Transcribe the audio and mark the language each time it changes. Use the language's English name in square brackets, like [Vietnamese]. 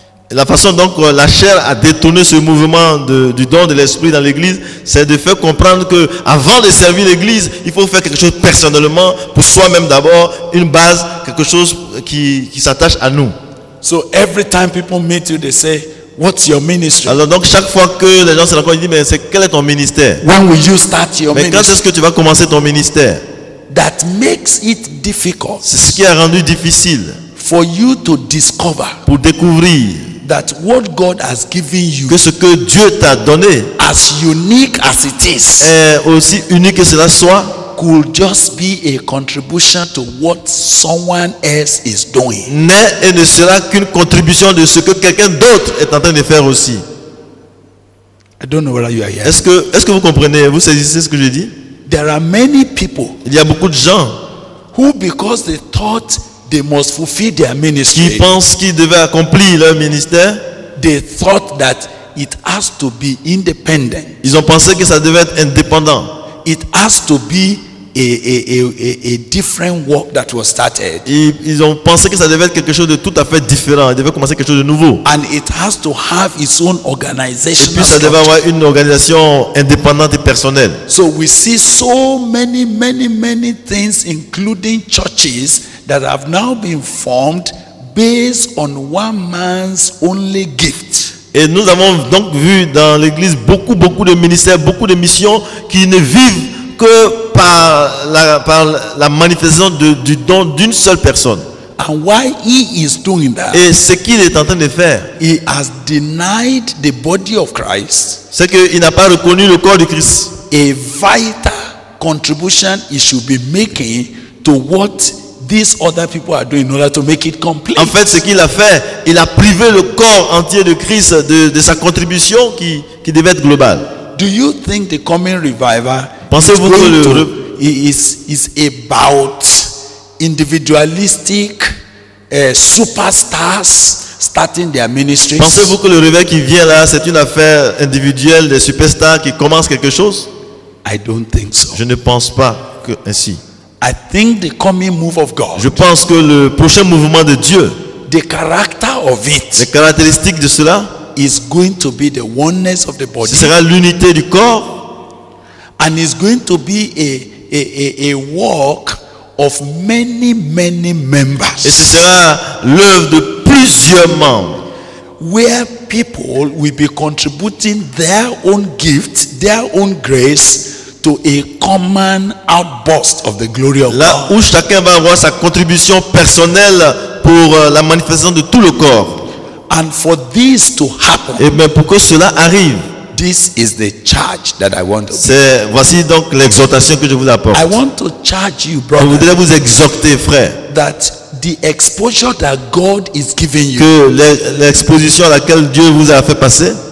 [French] La façon dont la chair a détourné ce mouvement du don de l'esprit dans l'Église, c'est de faire comprendre que avant de servir l'Église, il faut faire quelque chose personnellement pour soi-même d'abord, une base, quelque chose qui s'attache à nous. [English] So every time people meet you, they say, what's your ministry? [French] Alors donc chaque fois que les gens se rencontrent, ils disent, mais quel est ton ministère? [English] When will you start your ministry? [French] Mais quand est-ce que tu vas commencer ton ministère? [English] That makes it difficult. [French] C'est ce qui a rendu difficile [English] for you to discover [French] pour découvrir [English] that what God has given you [French] que ce que Dieu t'a donné [English] as unique as it is [French] est aussi unique que cela soit [English] could just be a contribution to what someone else is doing. [French] N'est et ne sera qu'une contribution de ce que quelqu'un d'autre est en train de faire aussi. [English] I don't know whether you are here. [French] Est-ce que vous comprenez, vous saisissez ce que je dis? [English] There are many people. [French] Il y a beaucoup de gens [English] who, because they thought they must fulfill their ministry, [French] qui pensent qu'ils devaient accomplir leur ministère. [English] They thought that it has to be independent. [French] Ils ont pensé que ça devait être indépendant. [English] It has to be a different work that was started. [French] Ils ont pensé que ça devait être quelque chose de tout à fait différent. Ils devaient commencer quelque chose de nouveau. [English] And it has to have its own organizational. [French] Et puis ça devait avoir une organisation indépendante et personnelle. [English] So we see so many, many, many things, including churches, that have now been formed based on one man's only gift. [French] Et nous avons donc vu dans l'Église beaucoup, beaucoup de ministères, beaucoup de missions qui ne vivent que par la manifestation du don d'une seule personne. [English] And why he is doing that? [French] Et ce qu'il est en train de faire, [English] he has denied the body of Christ. [French] C'est qu'il n'a pas reconnu le corps du Christ. [English] A vital contribution he should be making to what these other people are doing in order to make it complete. [French] En fait, ce qu'il a fait, il a privé le corps entier de Christ de sa contribution qui devait être globale. [English] Do you think the coming revival is about individualistic superstars starting their ministries? [French] Pensez-vous que le réveil qui vient là, c'est une affaire individuelle des superstars qui commencent quelque chose? [English] I don't think so. [French] Je ne pense pas que ainsi. [English] I think the coming move of God. [French] Je pense que le prochain mouvement de Dieu. [English] The character of it. [French] Les caractéristiques de cela. [English] Is going to be the oneness of the body. [French] Ce sera l'unité du corps. [English] And it's going to be a work of many, many members. [French] Et ce sera l'œuvre de plusieurs membres. [English] Where people will be contributing their own gift, their own grace to a common outburst of the glory of God. [French] Là où chacun va avoir sa contribution personnelle pour la manifestation de tout le corps. [English] And for this to happen. [French] Et bien pour que cela arrive. [English] This is the charge that I want to give. [French] C'est voici donc l'exhortation que je vous apporte. [English] I want to charge you, brother. [French] Je voudrais vous exhorter, frère. [English] That the exposure that God is giving you. [French] Que l'exposition à laquelle Dieu vous a fait passer.